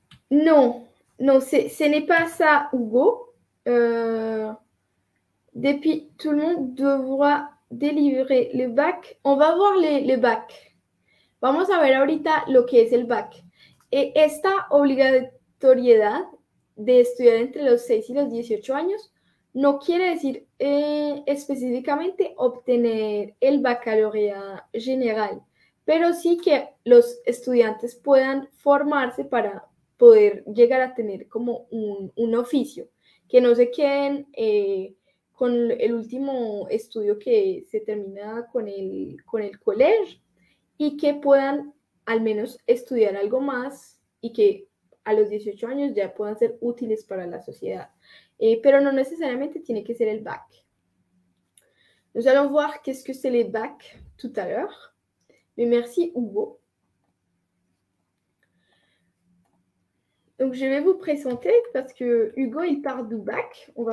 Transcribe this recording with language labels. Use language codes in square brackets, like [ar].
[fr] Non, non, ce n'est pas ça, Hugo. Depuis, tout le monde devra délivrer le bac. On va voir le bac. [es] Vamos a ver ahorita lo que es el bac. Et esta obligatoriedad de estudiar entre los 6 y los 18 años no quiere decir específicamente obtener el baccalaureado general, pero sí que los estudiantes puedan formarse para poder llegar a tener como un oficio, que no se queden con el último estudio que se termina con el colegio y que puedan al menos estudiar algo más y que a los 18 años ya puedan ser útiles para la sociedad. Pero no necesariamente tiene que ser el bac. [fr] Nous allons voir qu'est-ce que c'est les bacs tout à l'heure. Mais merci Hugo. Donc je vais vous présenter parce que Hugo, il part du bac.